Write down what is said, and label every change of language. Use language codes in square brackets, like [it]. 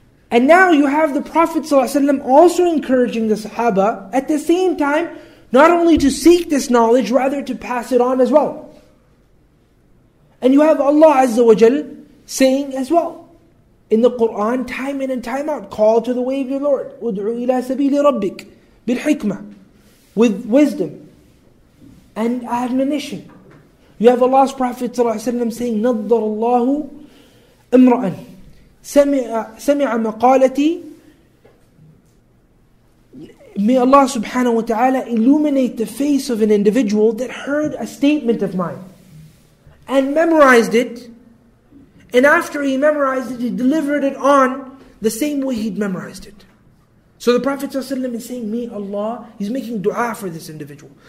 [en] And now you have the Prophet ﷺ also encouraging the Sahaba at the same time, not only to seek this knowledge, rather to pass it on as well. And you have Allah Azza wa Jal saying as well in the Quran, time in and time out, call to the way of your Lord. [ar] Udu ila sabili rabbik bil hikmah. [en] With wisdom and admonition. You have Allah's Prophet ﷺ saying, [ar] نَضَّرَ اللَّهُ إِمْرَأً سَمِعَ مَقَالَتِي. [en] May Allah subhanahu wa ta'ala illuminate the face of an individual that heard a statement of mine and memorized it. And after he memorized it, he delivered it on the same way he'd memorized it. So the Prophet ﷺ is saying, may Allah, he's making dua for this individual.